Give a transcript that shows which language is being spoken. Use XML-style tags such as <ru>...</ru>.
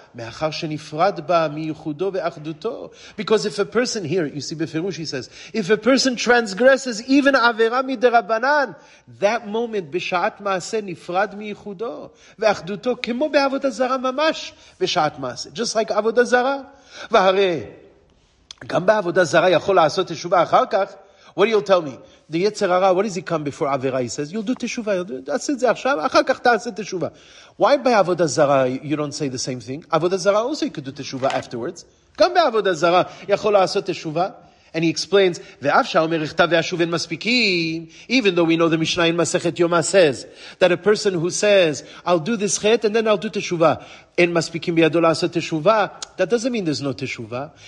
<he>מאחר שנפרד בה מייחודו ואחדותו.</he> <en>Because if a person here, you see בפירוש, he says, if a person transgresses even עבירה מדרבנן, that moment, בשעת מעשה,</en> <he>נפרד מייחודו ואחדותו, כמו בעבודה זרה ממש, בשעת מעשה.</he> <en>Just like עבודה זרה.</en> <he>והרי, גם בעבודה זרה יכול לעשות תשובה אחר כך,</he> <en>what do you tell me? The Yetzer Hara, what does he come before Avera? He says, you'll do teshuva.</en> <he>Ase ze achshav, achar kach ta'ase teshuva.</he> <en>Why by Avodah Zara you don't say the same thing? Avodah Zara also you could do teshuva afterwards. Come by Avodah Zara,</en> <he>yachol la'asot teshuva.</he> <en>And he explains,</en> <he>ve'af sha'omer ichta ve'ashuv en maspikim,</he> <en>even though we know the Mishnah in Masechet Yoma says, that a person who says, I'll do this chet and then I'll do teshuva,</en> <he>en maspikim biyado la'asot teshuva,</he> <en>that doesn't mean there's no teshuva.</en>